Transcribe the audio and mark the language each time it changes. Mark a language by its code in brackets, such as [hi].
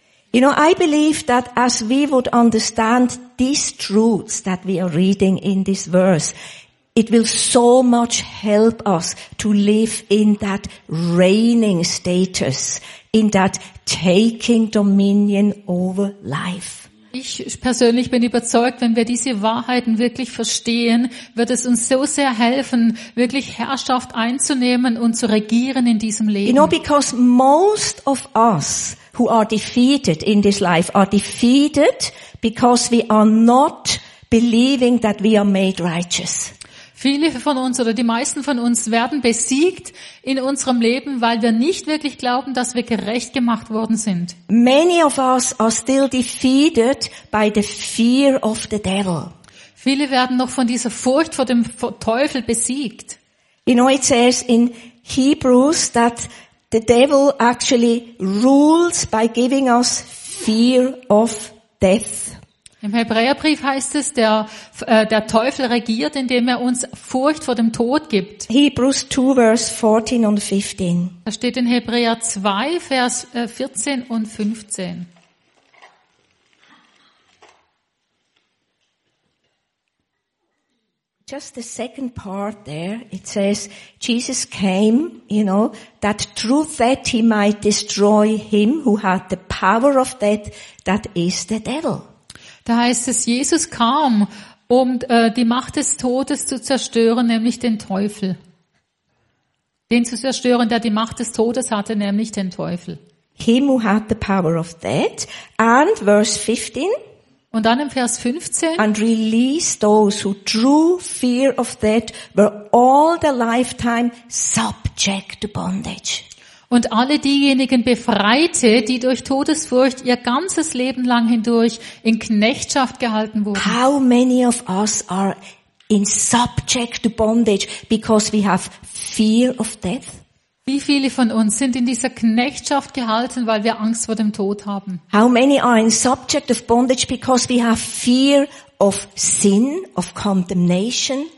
[en] You know, I believe that as we would understand these truths that we are reading in this verse, it will so much help us to live in that reigning status, in that taking dominion over life. [de] Ich persönlich bin überzeugt, wenn wir diese Wahrheiten wirklich verstehen, wird es uns so sehr helfen, wirklich Herrschaft einzunehmen und zu regieren in diesem Leben. [en] You know, because most of us who are defeated in this life are defeated because we are not believing that we are made righteous. [de] Viele von uns oder die meisten von uns werden besiegt in unserem Leben, weil wir nicht wirklich glauben, dass wir gerecht gemacht worden sind. [en] Many of us are still defeated by the fear of the devil. [de] Viele werden noch von dieser Furcht vor dem Teufel besiegt. [en] You know, it says in Hebrews that the devil actually rules by giving us fear of death. [de] Im Hebräerbrief heißt es, der Teufel regiert, indem er uns Furcht vor dem Tod gibt. [en] Hebrews 2, verse 14 and 15. [de] Da steht in Hebräer 2, Vers 14 und 15. [en] Just the second part there, it says, Jesus came, you know, that through that he might destroy him who had the power of death, that is the devil. [de] Da heißt es, Jesus kam, um die Macht des Todes zu zerstören, nämlich den Teufel. Den zu zerstören, der die Macht des Todes hatte, nämlich den Teufel. [en] Him who had the power of that. And verse 15. [de] Und dann im Vers 15. [en] And release those who through fear of that were all their lifetime subject to bondage. [de] Und alle diejenigen befreite, die durch Todesfurcht ihr ganzes Leben lang hindurch in Knechtschaft gehalten wurden. [en] How many of us are in subject to bondage because we have fear of death? [de] Wie viele von uns sind in dieser Knechtschaft gehalten, weil wir Angst vor dem Tod haben? [en] How many are in subject of bondage because we have fear of sin, of condemnation?